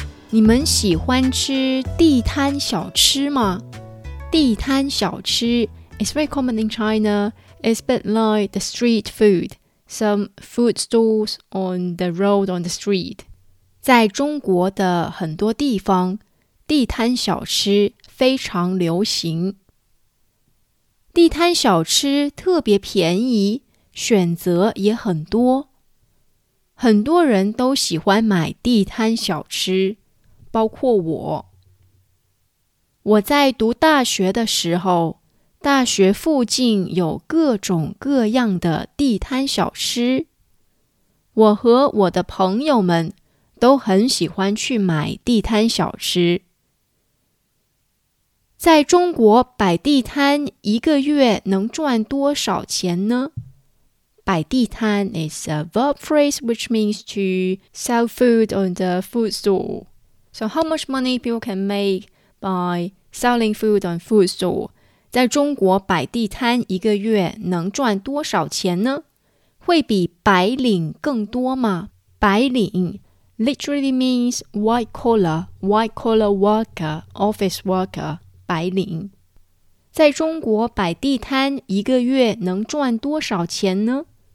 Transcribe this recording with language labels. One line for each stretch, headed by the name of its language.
Chinese: 你们喜欢吃地摊小吃吗？
English: 地摊小吃 is very common in China. It's a bit like the street food, some food stalls on the road, on the street.
Chinese: 在中国的很多地方，地摊小吃非常流行。地摊小吃特别便宜，选择也很多。很多人都喜欢买地摊小吃，包括我。我在读大学的时候，大学附近有各种各样的地摊小吃。我和我的朋友们都很喜欢去买地摊小吃。在中国摆地摊一个月能赚多少钱呢？
English: 摆地摊 is a verb phrase which means to sell food on the food stall. So how much money people can make by selling food on food stall?
Chinese: 在中国摆地摊一个月能赚多少钱呢？会比白领更多吗？
English: 白领 literally means white collar worker, office worker, 白领。
Chinese: 在中国摆地摊一个月能赚多少钱呢？